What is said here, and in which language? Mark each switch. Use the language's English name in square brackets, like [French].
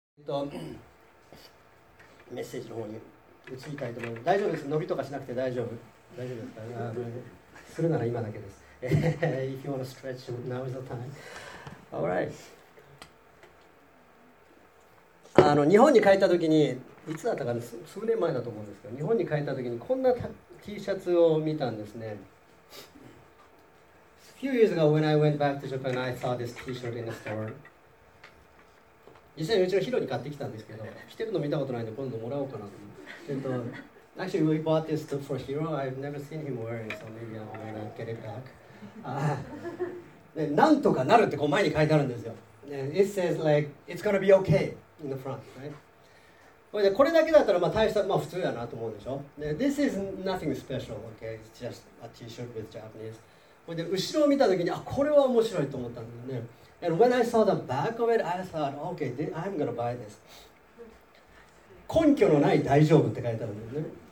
[Japanese] メッセージの方に移りたいと思います。大丈夫です、伸びとかしなくて大丈夫、大丈夫ですか。するなら今だけです。 [English] If you want to stretch, now is the time. All right. [Japanese] 日本に帰った時に、いつだったかな、数年前だと思うんですけど、日本に帰った時にこんな T シャツを見たんですね。 [English] A few years ago when I went back to Japan, I saw this T-shirt in the store. [Japanese] 実際にうちのヒロに買ってきたんですけど、着てるの見たことないんで今度もらおうかなと思って。 [English] Actually, we bought this for Hiro. I've never seen him wearing it, so maybe I'm gonna get it back. [Japanese] なんとかなるってこう前に書いてあるんですよ。 [English] It says like, it's gonna be okay in the front, right? [Japanese] で、これだけだったらまあ大した、まあ普通やなと思うでしょ。 [English] で、This is nothing special, okay? It's just a T-shirt with Japanese. [Japanese] で後ろを見たときに、あ、これは面白いと思ったんだよね。 [English] And when I saw the back of it, I thought, okay, I'm gonna buy this. [Japanese] 根拠のない大丈夫って書いてあるんだよね。